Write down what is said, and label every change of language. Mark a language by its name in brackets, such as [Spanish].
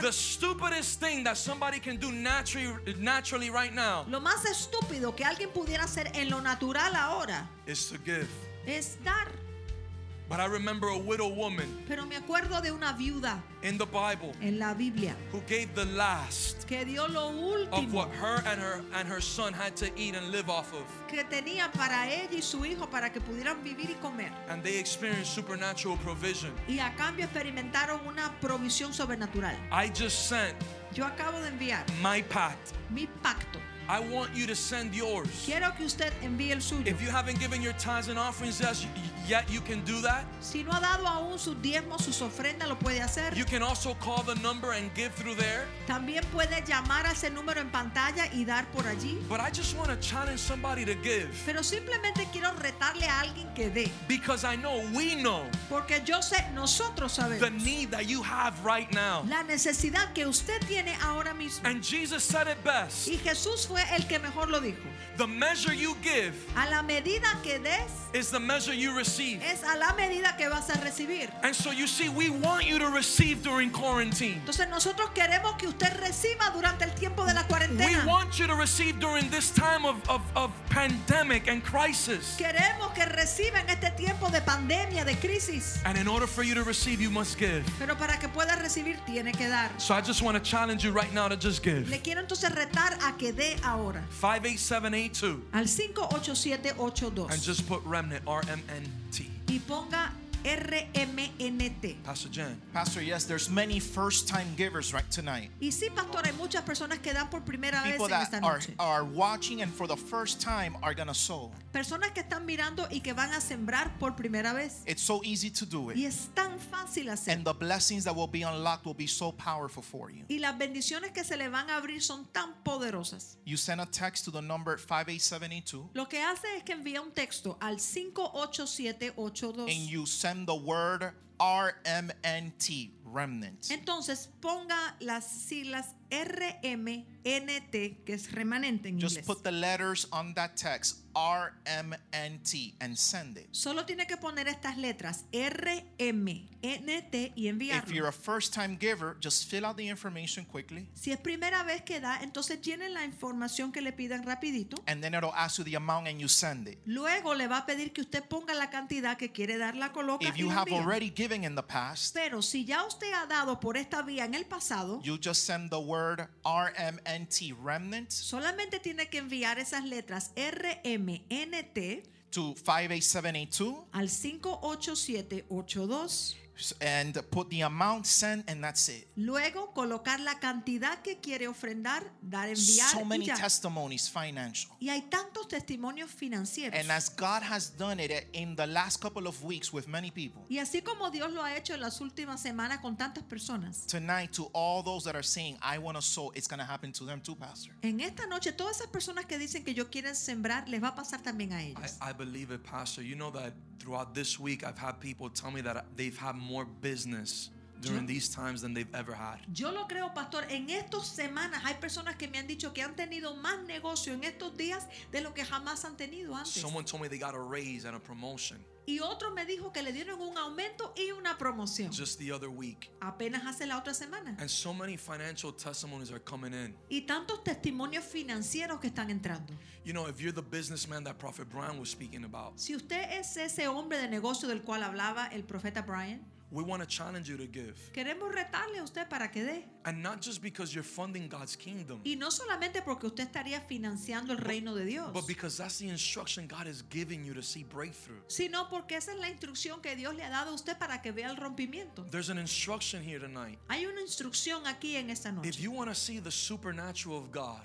[English] The stupidest thing that somebody can do naturally right now. [Spanish] Lo más estúpido que alguien pudiera hacer en lo natural ahora [English] is to give. [Spanish] Es dar. [English] But I remember a widow woman. [Spanish] Pero me acuerdo de una viuda [English] in the Bible. [Spanish] En la Biblia. [English] Who gave the last. [Spanish] Que dio lo último. [English] Of what her and her son had to eat and live off of. [Spanish] Que tenía para ella y su hijo para que pudieran vivir y comer. [English] And they experienced supernatural provision. [Spanish] Y a cambio experimentaron una provisión sobrenatural. [English] I just sent. [Spanish] Yo acabo de enviar. [English] My pact. [Spanish] Mi pacto. [English] I want you to send yours. [Spanish] Quiero que usted envíe el suyo. [English] If you haven't given your tithes and offerings yet, you can do that. [Spanish] Si no ha dado aún sus diezmos, sus ofrendas, lo puede hacer. [English] You can also call the number and give through there. [Spanish] También puede llamar a ese número en pantalla y dar por allí. [English] But I just want to challenge somebody to give. [Spanish] Pero simplemente quiero retarle a alguien que dé. [English] Because I know, we know. [Spanish] Porque yo sé, nosotros sabemos. [English] The need that you have right now. [Spanish] La necesidad que usted tiene ahora mismo. [English] And Jesus said it best. [Spanish] Y Jesús fue el que mejor lo dijo. [English] The measure you give. [Spanish] A la medida que des. [English] Is the measure you receive. [Spanish] Es a la medida que vas a recibir. [English] And so you see, we want you to receive during quarantine. [Spanish] Entonces nosotros queremos que usted reciba durante el tiempo de la cuarentena. [English] We want you to receive during this time of pandemic and crisis. [Spanish] Queremos que reciba en este tiempo de pandemia, de crisis. [English] And in order for you to receive, you must give. [Spanish] Pero para que pueda recibir, tiene que dar. [English] So I just want to challenge you right now to just give. [Spanish] Le quiero entonces retar a que dé ahora. [English] 58782. [Spanish] Al 58782. [English] And just put Remnant, R-M-N-T. [Spanish] Y ponga R-M-N-T. [English] Pastor Jen. Pastor, yes, there's many first-time givers right tonight. [Spanish] Y sí, pastor, hay muchas personas que dan por primera vez en esta noche. [English] People that are watching and for the first time are going to sow. [Spanish] Personas que están mirando y que van a sembrar por primera vez. [English] It's so easy to do it. [Spanish] Y es tan fácil hacer. [English] And the blessings that will be unlocked will be so powerful for you. [Spanish] Y las bendiciones que se le van a abrir son tan poderosas. [English] You send a text to the number 58782. [Spanish] Lo que hace es que envía un texto al 58782. [English] And you send the word RMNT, remnant. [Spanish] Entonces ponga las siglas RMNT, que es remanente en inglés. [English] Just put the letters on that text, RMNT, and send it. [Spanish] Solo tiene que poner estas letras RMNT y enviarlo. [English] If you're a first time giver, just fill out the information quickly. [Spanish] Si es primera vez que da, entonces llene la información que le pidan rapidito. [English] And then it'll ask you the amount and you send it. [Spanish] Luego le va a pedir que usted ponga la cantidad que quiere dar, la coloca. [English] If you have already given in the past, [Spanish] pero si ya usted ha dado por esta vía en el pasado, [English] you just send the word RMNT, remnant. [Spanish] Solamente tiene que enviar esas letras RMNT. [English] To 58782. [Spanish] Al 58782. [English] And put the amount sent, and that's it. [Spanish] Luego colocar la cantidad que quiere ofrendar, dar, enviar. [English] So many testimonies financial. [Spanish] Y hay tantos testimonios financieros. [English] And as God has done it in the last couple of weeks with many people. [Spanish] Y así como Dios lo ha hecho en las últimas semanas con tantas personas. [English] Tonight, to all those that are saying I want to sow, it's going to happen to them too, Pastor. [Spanish] En esta noche, todas esas personas que dicen que yo quieren sembrar, les va a pasar también a ellos. [English] I believe it, Pastor. You know that throughout this week, I've had people tell me that they've had more business during these times than they've ever had. [Spanish] Yo lo creo, pastor. En estas semanas hay personas que me han dicho que han tenido más negocio en estos días de lo que jamás han tenido antes. [English] Someone told me they got a raise and a promotion. [Spanish] Y otro me dijo que le dieron un aumento y una promoción. [English] Just the other week. [Spanish] Apenas hace la otra semana. [English] And so many financial testimonies are coming in. [Spanish] Y tantos testimonios financieros que están entrando. [English] You know, if you're the businessman that Prophet Brian was speaking about. [Spanish] Si usted es ese hombre de negocio del cual hablaba el profeta Brian. [English] We want to challenge you to give. [Spanish] Queremos retarle a usted para que dé. [English] And not just because you're funding God's kingdom. [Spanish] Y no solamente porque usted estaría financiando el reino de Dios. [English] But because that's the instruction God has given you to see breakthrough. [Spanish] Sino porque esa es la instrucción que Dios le ha dado a usted para que vea el rompimiento. [English] There's an instruction here tonight. [Spanish] Hay una instrucción aquí en esta noche. [English] If you want to see the supernatural of God.